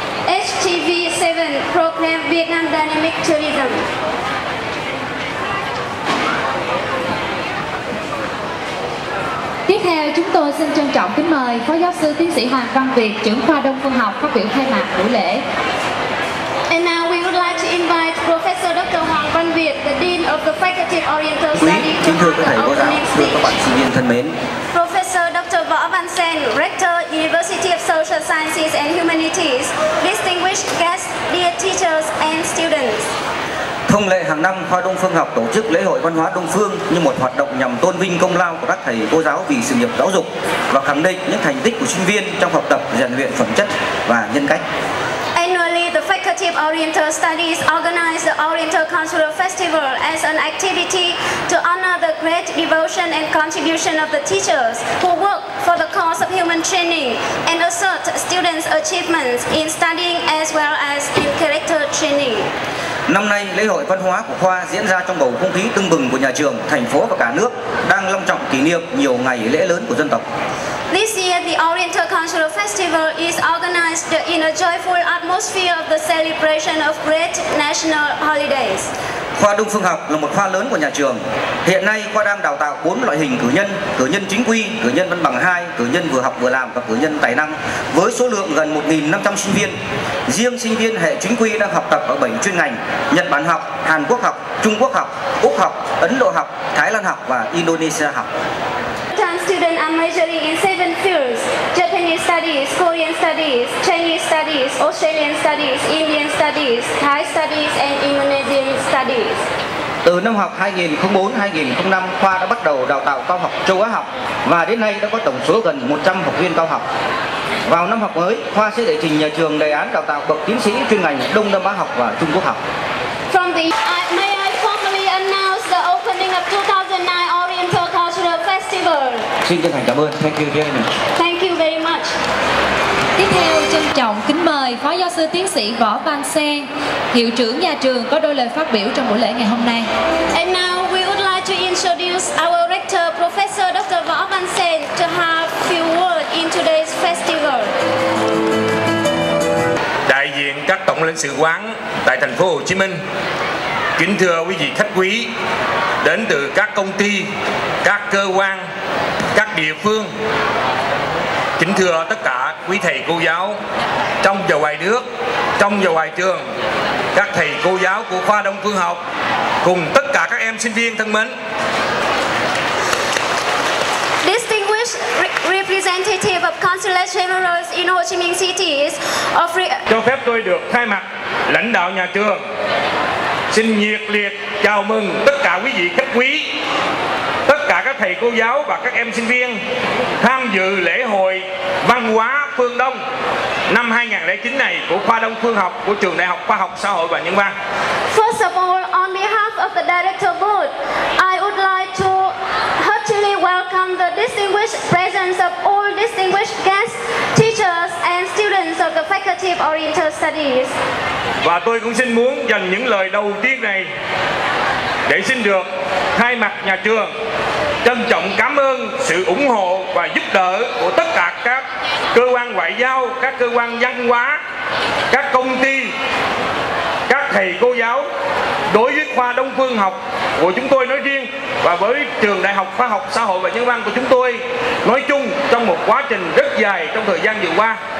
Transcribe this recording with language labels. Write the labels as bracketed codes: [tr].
[en] HTV 7 program Vietnam Dynamic Tourism. [vi] Tiếp theo, chúng tôi xin trân trọng kính mời phó giáo sư tiến sĩ Hoàng Văn Việt, trưởng khoa Đông Phương học, phát biểu khai mạc buổi lễ. [en] And now we would like to invite Professor Dr. Hoàng Văn Việt, the Dean of the Faculty of Oriental Studies. [vi] Kính thưa các thầy cô giáo, thưa các bạn sinh viên thân mến. [en] Professor Dr. Võ Văn Sen, Rector, University of Social Sciences and Humanities, distinguished guests, dear teachers and students. [vi] Thông lệ hàng năm, khoa Đông Phương học tổ chức lễ hội văn hóa Đông Phương như một hoạt động nhằm tôn vinh công lao của các thầy cô giáo vì sự nghiệp giáo dục và khẳng định những thành tích của sinh viên trong học tập, rèn luyện phẩm chất và nhân cách. [en] Annually, the Faculty of Oriental Studies organize the Oriental Cultural Festival as an activity to honor the great devotion and contribution of the teachers who work for the cause of human training and assert students' achievements in studying as well as in character training. [vi] Năm nay, lễ hội văn hóa của khoa diễn ra trong bầu không khí tưng bừng của nhà trường, thành phố và cả nước đang long trọng kỷ niệm nhiều ngày lễ lớn của dân tộc. [en] This year, the Oriental Cultural Festival is organized in a joyful atmosphere of the celebration of great national holidays. [vi] Khoa Đông Phương học là một khoa lớn của nhà trường. Hiện nay, khoa đang đào tạo 4 loại hình cử nhân chính quy, cử nhân văn bằng 2, cử nhân vừa học vừa làm và cử nhân tài năng với số lượng gần 1.500 sinh viên. Riêng sinh viên hệ chính quy đang học tập ở 7 chuyên ngành Nhật Bản học, Hàn Quốc học, Trung Quốc học, Úc học, Ấn Độ học, Thái Lan học và Indonesia học. [en] Students are majoring in 7 fields: Japan, Japanese studies, Korean studies, Chinese studies, Australian studies, Indian studies, Thai studies and Indonesian studies. [vi] Từ năm học 2004-2005, khoa đã bắt đầu đào tạo cao học châu Á học và đến nay đã có tổng số gần 100 học viên cao học. Vào năm học mới, khoa sẽ đệ trình nhà trường đề án đào tạo bậc tiến sĩ chuyên ngành Đông Nam Á học và Trung Quốc học. [en] From the may I formally announce the opening of 2009 Oriental Cultural Festival. [vi] Xin chân thành cảm ơn. [en] Thank you very much. Thank you very much. [vi] Tiếp theo, trân trọng kính mời Phó Giáo sư Tiến sĩ Võ Văn Sen, Hiệu trưởng nhà trường có đôi lời phát biểu trong buổi lễ ngày hôm nay. [en] And now we would like to introduce our rector, Professor Dr. Võ Văn Sen, to have few words in today's festival. [vi] Đại diện các tổng lãnh sự quán tại thành phố Hồ Chí Minh, kính thưa quý vị khách quý, đến từ các công ty, các cơ quan, các địa phương, kính thưa tất cả quý thầy cô giáo trong và ngoài nước, trong và ngoài trường, các thầy cô giáo của khoa Đông Phương học cùng tất cả các em sinh viên thân mến. [en] Distinguished representative of Consulate General in Ho Chi Minh City is offering. [vi] Cho phép tôi được thay mặt lãnh đạo nhà trường xin nhiệt liệt chào mừng tất cả quý vị khách quý, tất cả các thầy cô giáo và các em sinh viên tham dự lễ hội văn hóa phương Đông năm 2009 này của khoa Đông Phương học của trường Đại học Khoa học Xã hội và Nhân văn. [en] First of all, on behalf of the director board, I would like to heartily welcome the distinguished presence of all distinguished guests, teachers and students of the Faculty of Oriental Studies. [vi] Và tôi cũng xin muốn dành những lời đầu tiên này để xin được thay mặt nhà trường trân trọng cảm ơn sự ủng hộ và giúp đỡ của tất cả các cơ quan ngoại giao, các cơ quan văn hóa, các công ty, các thầy cô giáo đối với khoa Đông Phương học của chúng tôi nói riêng và với trường Đại học Khoa học Xã hội và Nhân văn của chúng tôi nói chung trong một quá trình rất dài trong thời gian vừa qua.